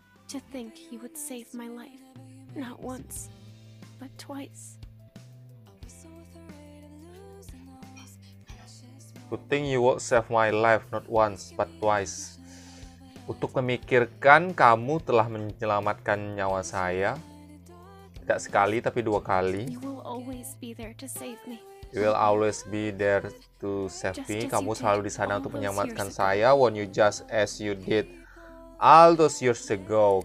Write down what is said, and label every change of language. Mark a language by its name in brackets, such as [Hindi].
[English] To think you would save my life. Not once, but twice. To think you would save my life not once but twice. [Indonesian] Untuk memikirkan kamu telah menyelamatkan nyawa saya tidak sekali tapi dua kali. [English] You will always be there to save me. You will always be there to save me. [Indonesian] Kamu selalu di sana untuk menyelamatkan saya. [English] Won't you just as you did all those years ago?